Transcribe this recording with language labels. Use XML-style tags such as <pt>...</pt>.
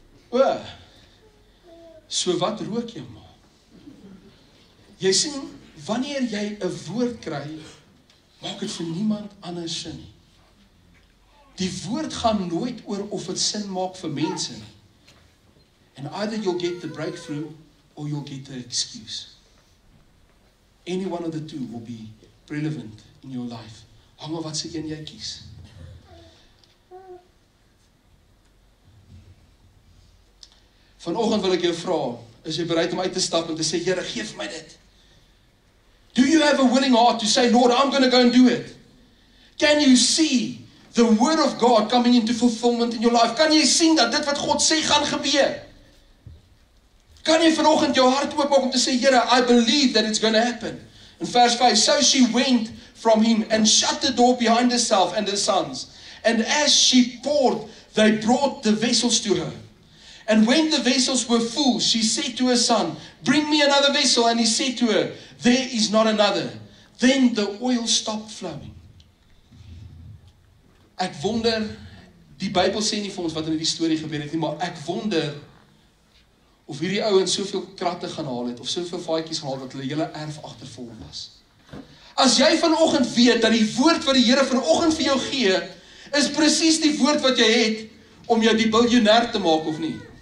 <af>O, so wat rook jy, ma? Jy sien, wanneer jy 'n woord kry, maak dit vir niemand anders sin nie. Die woord gaan nooit oor of het sin maak vir mense nie.</af> <en>And either you'll get the breakthrough or you'll get the excuse. Any one of the two will be relevant in your life.</en> <af>Hang maar wat se een jy kies. Vanoggend wil ek jou vra, is jy bereid om uit te stap en te sê, "Here, gee vir my dit"?</af> <en>Do you have a willing heart to say, "Lord, I'm going to go and do it"? Can you see the word of God coming into fulfillment in your life?</en> <af>Kan jy sien dat dit wat God sê gaan gebeur? Kan jy vanoggend jou hart oopmaak om te sê, "Here,</af> <en>I believe that it's going to happen"? In verse 5, "So she went from him and shut the door behind herself and her sons. And as she poured, they brought the vessels to her. And when the vessels were full, she said to her son, 'Bring me another vessel.' And he said to her, 'There is not another.' Then the oil stopped flowing."</en> <af>Ek wonder, die Bybel sê nie vir ons wat in die story gebeur het nie, maar ek wonder of hierdie ouens soveel kratte gaan haal het, of soveel vaatjies gaan haal, dat hulle hele erf agter vol was. As jy vanoggend weet, dat die woord wat die Here vanoggend vir jou gee, is precies die woord wat jy het, om jou die biljonair te maak, of nie?</af>